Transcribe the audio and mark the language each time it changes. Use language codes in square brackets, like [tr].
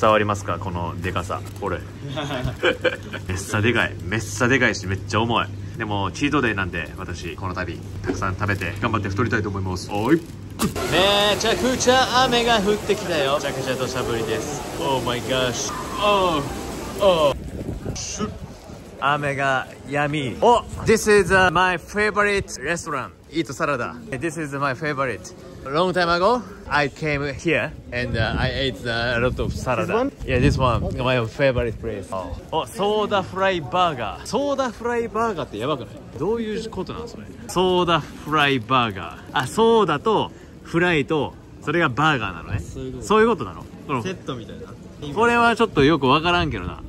[ja] 伝わりますかこのデカさ、これめっさでかい、めっさでかいしめっちゃ重い。でもチートデイなんで、私この度たくさん食べて頑張って太りたいと思います。おい、めちゃくちゃ雨が降ってきたよ。めちゃくちゃ土砂降りです。 [en] Oh my gosh。 Oh oh [ja] 雨が止み、 [en] Oh this is my favorite restaurant。 Eat salad。 This is my favorite。 Long time ago I came here and I ate a lot of salad。 Yeah this one my favorite place。 [ja] Oh ソーダフライバーガー。ソーダフライバーガーってやばくない？どういうことなんそれ。ソーダフライバーガー、あ、ソーダとフライとそれがバーガーなのね。そういうことなの、このセットみたいな。これはちょっとよくわからんけどな。